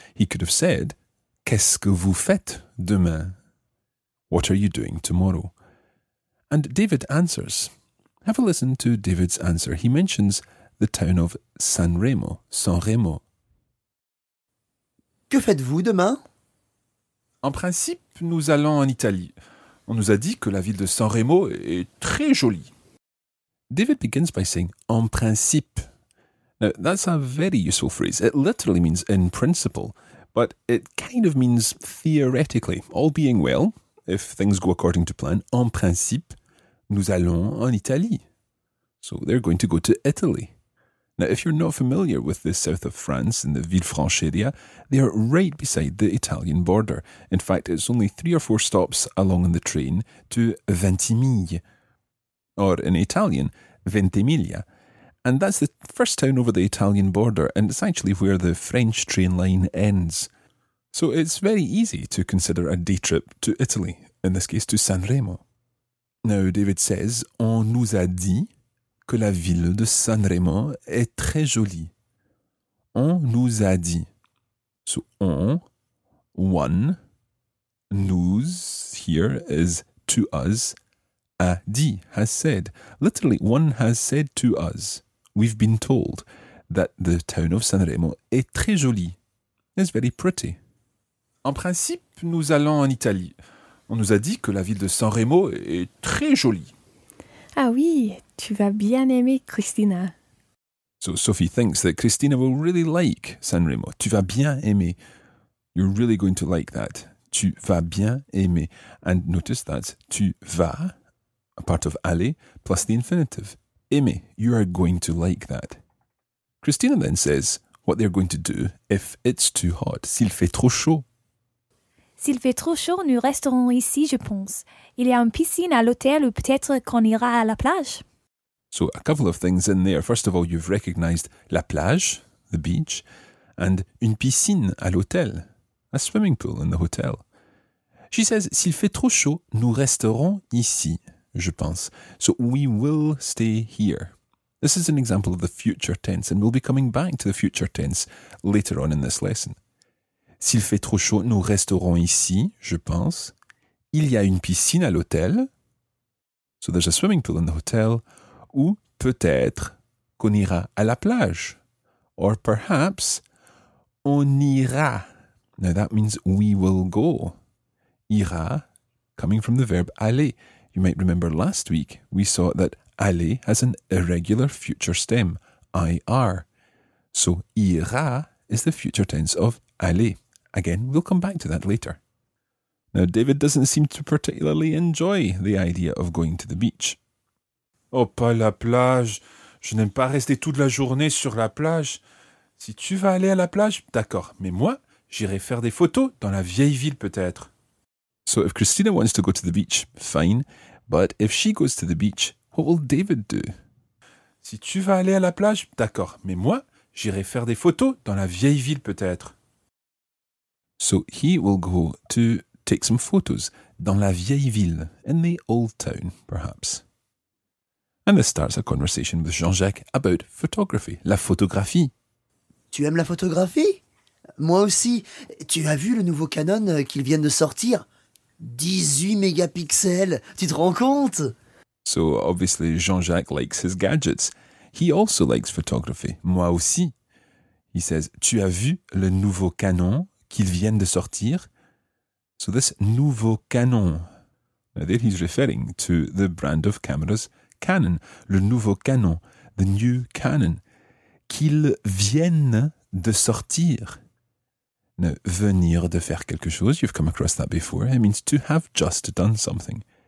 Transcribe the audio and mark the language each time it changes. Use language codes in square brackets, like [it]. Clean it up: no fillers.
[en] He could have said, [fr] qu'est-ce que vous faites demain? [en] What are you doing tomorrow? And David answers. Have a listen to David's answer. He mentions the town of San Remo, San Remo. [fr] Que faites-vous demain? En principe, nous allons en Italie. On nous a dit que la ville de San Remo est très jolie. [en] David begins by saying, [fr] en principe. [en] Now, that's a very useful phrase. It literally means in principle, but it kind of means theoretically. All being well, if things go according to plan, [fr] en principe, nous allons en Italie. [en] So they're going to go to Italy. Now, if you're not familiar with the south of France and the Villefranche area, they are right beside the Italian border. In fact, it's only 3 or 4 stops along on the train to Ventimiglia, or in Italian, Ventimiglia. And that's the first town over the Italian border, and it's actually where the French train line ends. So it's very easy to consider a day trip to Italy, in this case to San Remo. Now, David says, [fr] on nous a dit que la ville de San Remo est très jolie. On nous a dit. [en] So, on, one, nous, here is to us, a dit, has said. Literally, one has said to us. We've been told. that the town of Sanremo [fr] est très joli. [en] It's very pretty. [fr] En principe, nous allons en Italie. On nous a dit que la ville de Sanremo est très jolie. Ah oui, tu vas bien aimer Christina. [en] So Sophie thinks that Christina will really like Sanremo. [fr] Tu vas bien aimer. [en] You're really going to like that. [fr] Tu vas bien aimer. [en] And notice that tu vas, a part of aller, plus the infinitive. Aimer. You are going to like that. Christina then says what they're going to do if it's too hot. [fr] S'il fait trop chaud. S'il fait trop chaud, nous resterons ici, je pense. Il y a une piscine à l'hôtel ou peut-être qu'on ira à la plage. [en] So a couple of things in there. First of all, you've recognized la plage, the beach, and [fr] une piscine à l'hôtel, [en] a swimming pool in the hotel. She says, [fr] s'il fait trop chaud, nous resterons ici, je pense. [en] So we will stay here. This is an example of the future tense, and we'll be coming back to the future tense later on in this lesson. [fr] S'il fait trop chaud, nous resterons ici, je pense. Il y a une piscine à l'hôtel. [en] So there's a swimming pool in the hotel. [fr] Ou peut-être qu'on ira à la plage. [en] Or perhaps [fr] on ira. [en] Now that means we will go. Ira, coming from the verb aller. You might remember last week we saw that aller has an irregular future stem, ir. So ira is the future tense of aller. Again, we'll come back to that later. Now, David doesn't seem to particularly enjoy the idea of going to the beach. [fr] Oh, pas la plage. Je n'aime pas rester toute la journée sur la plage. Si tu vas aller à la plage, d'accord. Mais moi, j'irai faire des photos dans la vieille ville, peut-être. [en] So, if Christina wants to go to the beach, fine. But if she goes to the beach, what will David do? [fr] Si tu vas aller à la plage, d'accord. Mais moi, j'irai faire des photos dans la vieille ville, peut-être. [en] So he will go to take some photos [fr] dans la vieille ville, [en] in the old town, perhaps. And this starts a conversation with Jean-Jacques about photography, la photographie. [fr] Tu aimes la photographie? Moi aussi. Tu as vu le nouveau Canon qu'ils viennent de sortir? 18 mégapixels, tu te rends compte? [en] So obviously Jean-Jacques likes his gadgets. He also likes photography. [fr] Moi aussi. [en] He says, [fr] tu as vu le nouveau Canon? Qu'ils viennent de sortir. [en] So this nouveau canon. Now there he's referring to the brand of cameras, Canon. [fr] Le nouveau canon, [en] the new Canon. [fr] Qu'ils viennent de sortir. [en] Now, [fr] venir de faire quelque chose, [en] you've come across that before. It means to have just done something.